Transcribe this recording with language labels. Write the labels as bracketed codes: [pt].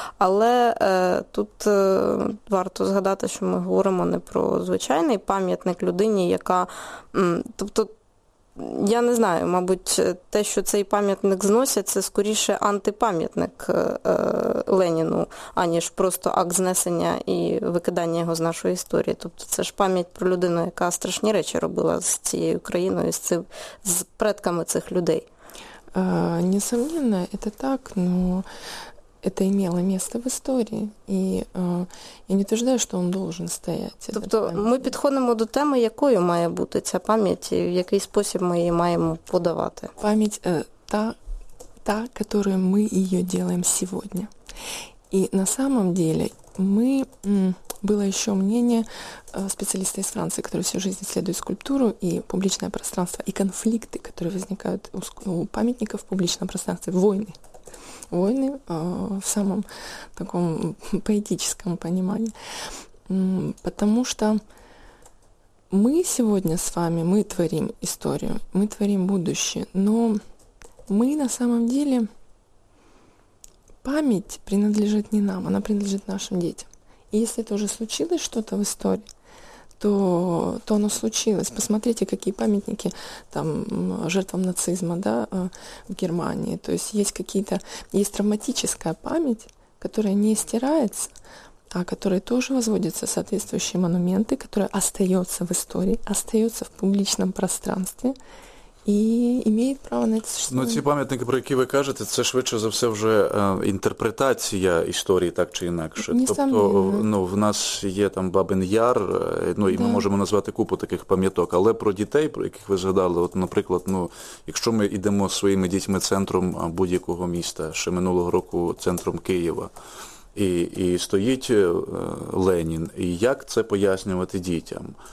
[uk] Але тут варто згадати, що ми говоримо не про звичайний пам'ятник людині, яка, тобто, я не знаю, мабуть, те, що цей пам'ятник зносять, це скоріше антипам'ятник Леніну, аніж просто акт знесення і викидання його з нашої історії. Тобто це ж пам'ять про людину, яка страшні речі робила з цією країною, з предками цих людей. [ru] Несомненно, [uk] це так, [ru] но это имело место в истории, и я не утверждаю, что он должен стоять. [uk] Тобто ми підходимо до теми, якою має бути ця пам'ять, і в який спосіб ми її маємо подавати. Пам'ять та, [ru] которую [uk] ми її робимо сьогодні. [ru] І на самом деле ми... Было еще мнение специалиста из Франции, который всю жизнь исследует скульптуру и публичное пространство, и конфликты, которые возникают у памятников в публичном пространстве, войны. Войны в самом таком поэтическом понимании. Потому что мы сегодня с вами, мы творим историю, мы творим будущее, но мы на самом деле, память принадлежит не нам, она принадлежит нашим детям. И если это уже случилось что-то в истории, то оно случилось. Посмотрите, какие памятники там жертвам нацизма, да, в Германии. То есть есть какие-то, есть травматическая память, которая не стирается, а которая тоже возводится в соответствующие монументы, которая остается в истории, остается в публичном пространстве. [uk] І має право на це. Ну, ці пам'ятники, про які ви кажете, це швидше за все вже інтерпретація історії, так чи інакше. Тобто, ну, в нас є там Бабин Яр, ну, і да. Ми можемо назвати купу таких пам'яток. Але про дітей, про яких ви згадали, от, наприклад, ну, якщо ми йдемо своїми дітьми центром будь-якого міста, ще минулого року центром Києва, і стоїть Ленін, і як це пояснювати дітям?